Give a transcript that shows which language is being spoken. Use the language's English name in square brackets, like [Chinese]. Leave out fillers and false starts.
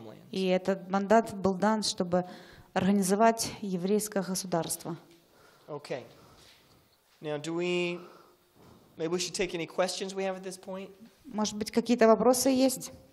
[Russian] И этот мандат был дан, чтобы организовать еврейское государство. [English] Okay. Now, do we? Maybe we should take any questions we have at this point. [Russian] Может быть, какие-то вопросы есть?